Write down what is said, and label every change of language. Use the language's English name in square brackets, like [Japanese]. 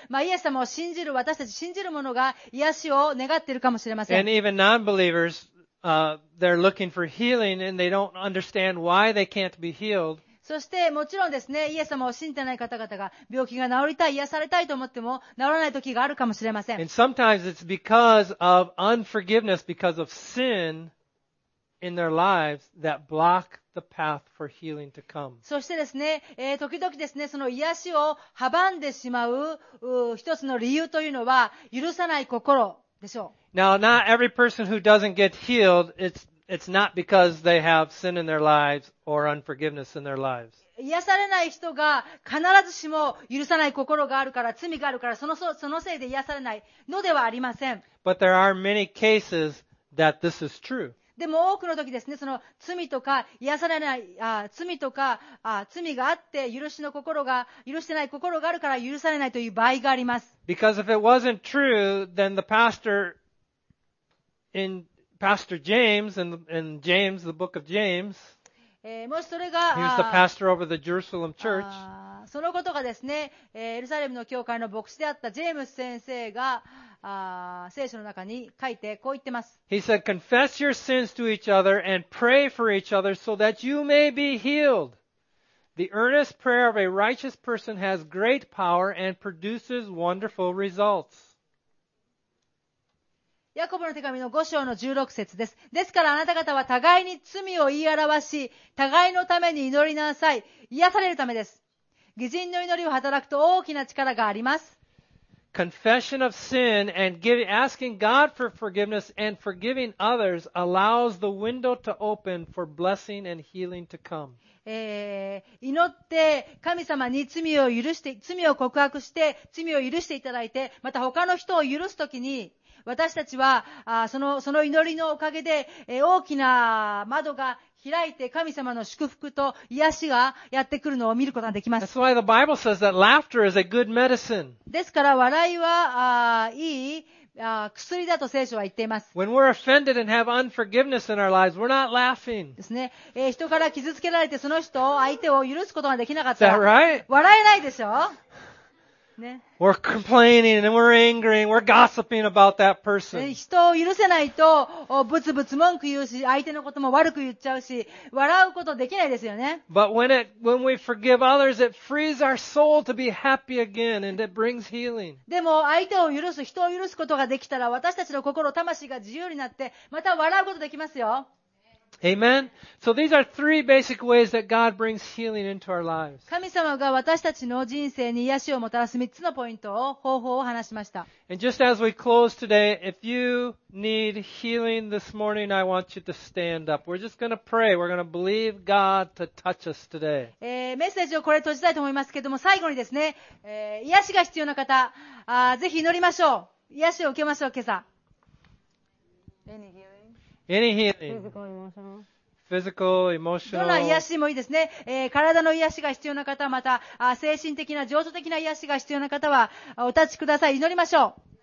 [Japanese] まあ、イエス様を信じる、私たち信じる者が癒しを願っているかもしれません。 [English] And even non-believers, they're looking for healing and they don't understand why they can't be healed. [Japanese] そして、もちろんですね、イエス様を信じてない方々が病気が治りたい、癒されたいと思っても治らない時があるかもしれません。 [English] And sometimes it's because of unforgiveness, because of sin. In their lives that block the path for healing to come. [Japanese] そしてですね、時々ですね、その癒しを阻んでしまう、一つの理由というのは許さない心でしょう。 [English] Now, not every person who doesn't get healed, it's not because they have sin in their lives or unforgiveness in their lives. [Japanese] 癒されない人が必ずしも許さない心があるから、罪があるから、そのせいで癒されないのではありません。 [English] But there are many cases that this is true. [Japanese] でも多くの時ですね、その罪とか癒されない、罪とか、罪があって許してない心があるから許されないという場合があります。 [English] Because if it wasn't true, then the pastor in Pastor James and James, the book of James, [Japanese] もしそれが、 [English] he was the pastor over the Jerusalem church. [Japanese] そのことがですね、エルサレムの教会の牧師であったジェームス先生が、聖書の中に書いてこう言ってます。 [English] He said, confess your sins to each other and pray for each other so that you may be healed. The earnest prayer of a righteous person has great power and produces wonderful results. [Japanese] ヤコブの手紙の5章の16節です。ですからあなた方は互いに罪を言い表し、互いのために祈りなさい。癒されるためです。義人の祈りを働くと大きな力があります。 [English] Confession of sin and asking God for forgiveness and forgiving others allows the window to open for blessing and healing to come. [Japanese] 祈って神様に罪を告白して、罪を許していただいて、また他の人を許すときに、私たちはその祈りのおかげで大きな窓が開いて神様の祝福と癒しがやってくるのを見ることができます。 [English] That's why the Bible says that laughter is a good medicine. [Japanese] ですから笑いはいい薬だと聖書は言っています。 [English] When we're offended and have unforgiveness in our lives, we're not laughing. [Japanese] ですね。人から傷つけられてその人相手を許すことができなかったら、 [English] Is that right? [Japanese] 笑えないでしょ。ね、 [English] we're complaining and we're angry and we're gossiping about that person. [Japanese] 人を許せないとブツブツ文句言うし、相手のことも悪く言っちゃうし、笑うことできないですよね。 [English] But when we forgive others, it frees our soul to be happy again and it brings healing. [Japanese] でも相手を許す、人を許すことができたら、私たちの心、魂が自由になって、また笑うことできますよ。 [English] Amen. So these are three basic ways that God brings healing into our lives. [Japanese] 神様が私たちの人生に癒しをもたらす3つのポイントを方法を話しました。 [English] And just as we close today, if you need healing this morning, I want you to stand up. We're just gonna pray. We're gonna believe God to touch us today. [Japanese] メッセージをこれ閉じたいと思いますけれども、最後にですね、癒しが必要な方、ぜひ祈りましょう。癒しを受けましょう、今朝。 [English] Any healing.Physical, emotional. [Japanese] どんな癒しもいいですね。体の癒しが必要な方、また、精神的な、情緒的な癒しが必要な方は、お立ちください。祈りましょう。